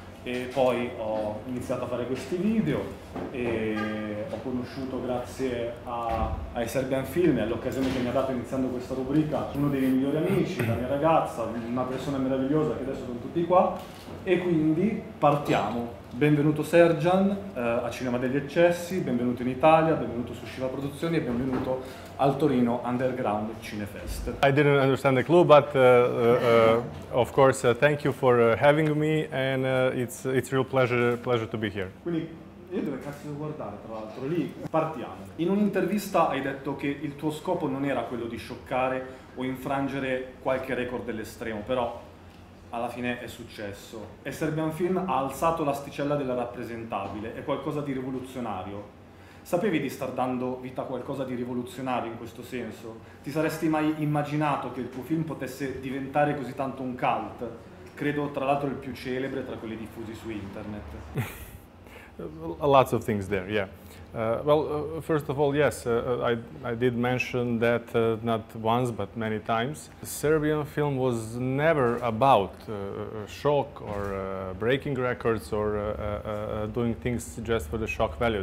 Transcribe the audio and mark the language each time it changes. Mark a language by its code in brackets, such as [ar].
[it] E poi ho iniziato a fare questi video e ho conosciuto, grazie a Srdjan Film, all'occasione che mi ha dato iniziando questa rubrica, uno dei miei migliori amici, la mia ragazza, una persona meravigliosa che adesso sono tutti qua. E quindi partiamo. Benvenuto Srdjan a Cinema degli Eccessi, benvenuto in Italia, benvenuto su Shiva Produzioni e benvenuto al Torino Underground Cinefest. [en] I didn't understand the clue, but of course thank you for having me and it's a real pleasure to be here. [it] Quindi io dove cazzo devo guardare, tra l'altro? Lì partiamo. In un'intervista hai detto che il tuo scopo non era quello di scioccare o infrangere qualche record dell'estremo, però alla fine è successo. E Srdjan Film ha alzato l'asticella della rappresentabile, è qualcosa di rivoluzionario. Sapevi di star dando vita a qualcosa di rivoluzionario in questo senso? Ti saresti mai immaginato che il tuo film potesse diventare così tanto un cult? Credo tra l'altro il più celebre tra quelli diffusi su internet. [en] Lots of things there, yeah. First of all, yes, I did mention that not once but many times. Serbian film was never about shock or breaking records or doing things just for the shock value.